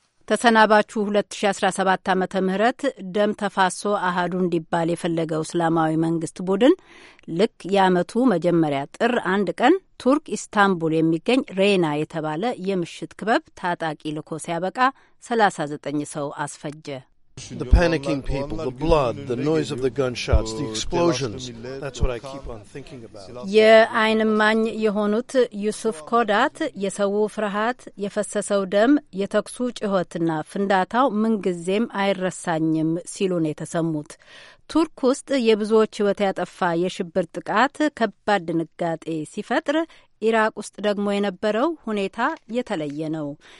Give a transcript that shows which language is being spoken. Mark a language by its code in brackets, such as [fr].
[am] ተሰናባቹ 2017 ዓመተ ምህረት ደም ተፋሶ አሃዱ እንዲባል የፈለገው እስላማዊ መንግስት ቡድን ልክ የዓመቱ መጀመሪያ ጥር አንድ ቀን ቱርክ ኢስታንቡል የሚገኝ ሬና የተባለ የምሽት ክበብ ታጣቂ ልኮ ሲያበቃ 39 ሰው አስፈጀ። [en] The panicking people, the blood, the noise of the gunshots, the explosions. That's what I keep on thinking about. [am] የአይንማኝ የሆኑት ዩሱፍ ኮዳት የሰው ፍርሃት፣ የፈሰሰው ደም፣ የተኩሱ ጩኸትና ፍንዳታው ምንጊዜም አይረሳኝም ሲሉ ነው የተሰሙት። ቱርክ ውስጥ የብዙዎች ህይወት ያጠፋ የሽብር ጥቃት ከባድ ድንጋጤ ሲፈጥር፣ ኢራቅ ውስጥ ደግሞ የነበረው ሁኔታ የተለየ ነው።